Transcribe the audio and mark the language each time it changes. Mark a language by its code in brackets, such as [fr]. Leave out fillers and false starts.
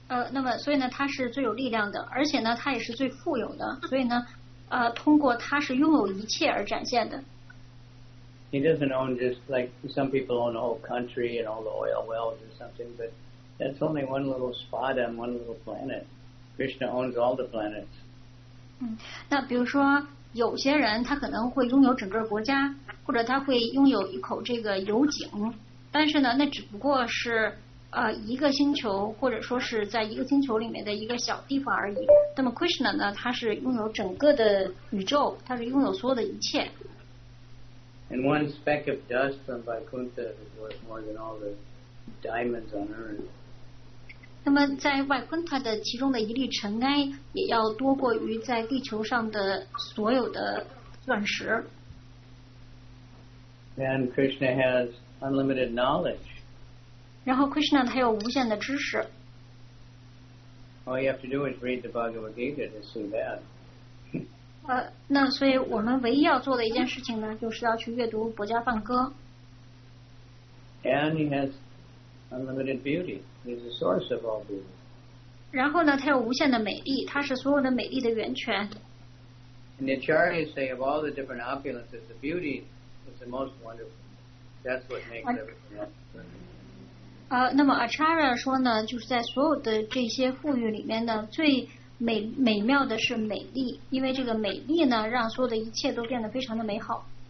[zh] 那么所以呢，他是最有力量的，而且呢，他也是最富有的，所以呢，通过他是拥有一切而展现的。 [en] He doesn't own just like some people own the whole country and all the oil wells or something, but that's only one little spot on one little planet. Krishna owns all the planets. [zh] 那比如说有些人他可能会拥有整个国家，或者他会拥有一口这个油井，但是呢，那只不过是一个星球，或者说是在一个星球里面的一个小地方而已。那么 Krishna 呢，他是拥有整个的宇宙，他是拥有所有的一切。 [en] And one speck of dust from Vaikuntha is worth more than all the diamonds on earth. [zh] 那么在外昆塔的其中的一粒尘埃也要多过于在地球上的所有的钻石。 [en] And Krishna has unlimited knowledge. [zh] 然后 Krishna 他有无限的知识。 [en] All you have to do is read the Bhagavad Gita to see that. [zh] 那所以我们唯一要做的一件事情呢，就是要去阅读《博迦梵歌》。 [en] And he has unlimited beauty. He's the source of all beauty. [zh] 然后呢，它有无限的美丽，它是所有的美丽的源泉。 [en] And the Acharyas say of all the different opulences, the beauty is the most wonderful. That's what makes everything else. [zh] 那么 Acharya 说呢，就是在所有的这些富裕里面呢，最美妙的是美丽，因为这个美丽呢，让所有的一切都变得非常的美好。